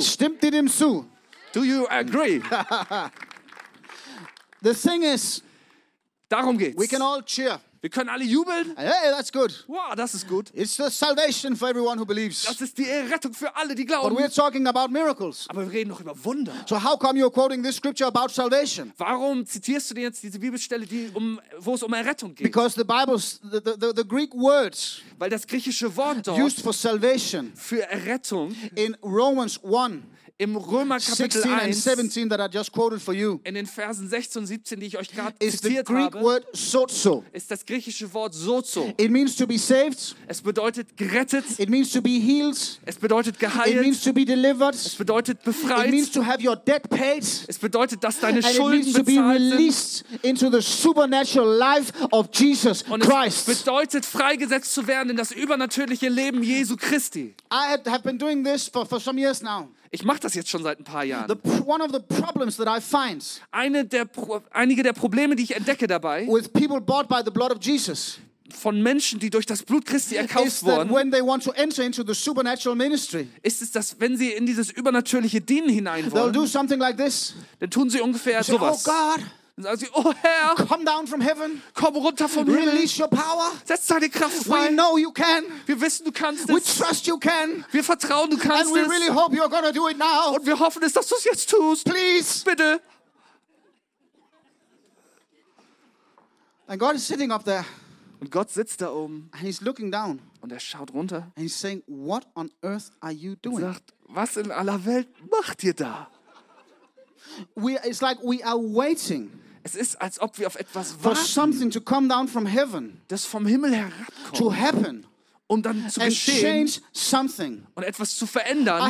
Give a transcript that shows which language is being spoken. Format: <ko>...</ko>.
<de>Stimmt ihr dem zu?</de> <en>Do you agree? The thing is,</en> <de>darum geht's.</de> <en>We can all cheer.</en> <de>Wir können alle jubeln.</de> <en>Hey, that's good.</en> <de>Wow, das ist gut.</de> <en>It's the salvation for everyone who believes.</en> <de>Das ist die Errettung für alle, die glauben.</de> <en>But we're talking about miracles.</en> <de>Aber wir reden noch über Wunder.</de> <en>So how come you're quoting this scripture about salvation?</en> <de>Warum zitierst du denn jetzt diese Bibelstelle, wo es um Errettung geht?</de> <en>Because the Bible's the Greek words,</en> <de>weil das griechische Wort dort</de> <en>used for salvation,</en> <de>für Errettung,</de> <en>in Romans 1,</en> <de>im Römer Kapitel</de> <en>16</en> <de>1,</de> <en>and 17 that I just quoted for you,</en> <de>in den Versen 16 und 17, die ich euch gerade zitiert habe,</de> <en>is the Greek word sozo.</en> <de>Ist das griechische Wort sozo.</de> <en>It means to be saved.</en> <de>Es bedeutet gerettet.</de> <en>It means to be healed.</en> <de>Es bedeutet geheilt.</de> <en>It means to be delivered.</en> <de>Es bedeutet befreit.</de> <en>It means to have your debt paid.</en> <de>Es bedeutet, dass deine</de> <en>and</en> <de>Schulden bezahlt sind.</de> <en>And it means to be released into the supernatural life of Jesus Christ.</en> <de>Und es bedeutet, freigesetzt zu werden in das übernatürliche Leben Jesu Christi.</de> <en>I have been doing this for some years now.</en> <de>Ich mache das jetzt schon seit ein paar Jahren.</de> <en>One of the problems that I find,</en> <de>einige der Probleme, die ich entdecke dabei,</de> <en>with people bought by the blood of Jesus,</en> <de>von Menschen, die durch das Blut Christi erkauft wurden,</de> <en>when they want to enter into the supernatural ministry,</en> <de>ist es, dass wenn sie in dieses übernatürliche Dienen hinein wollen,</de> <en>they'll do something like this,</en> <de>dann tun sie ungefähr sowas.</de> <en>Oh God,</en> <de>Und sagen sie, oh Herr,</de> <en>come down from heaven,</en> <de>komm runter vom</de> <en>release</en> <de>Himmel.</de> <en>Release your power.</en> <de>Setz deine Kraft frei.</de> <en>We know you can.</en> <de>Wir wissen, du kannst es.</de> <en>We trust you can.</en> <de>Wir vertrauen, du kannst es.</de> <en>And we really hope you're gonna do it now.</en> <de>Und wir hoffen es, dass du es jetzt tust.</de> <en>Please.</en> <de>Bitte.</de> <en>And God is sitting up there.</en> <de>Und Gott sitzt da oben.</de> <en>And he's looking down.</en> <de>Und er schaut runter.</de> <en>And he's saying, what on earth are you doing?</en> <de>Und sagt, was in aller Welt macht ihr da?</de> <en>It's like we are waiting.</en> <de>Es ist, als ob wir auf etwas warten.</de> <en>For something to come down from heaven.</en> <de>Das vom Himmel herabkommt.</de> <en>To happen.</en> <de>Um dann zu</de> <en>and</en> <de>geschehen.</de> <en>And change something.</en> <de>Und etwas zu verändern.</de>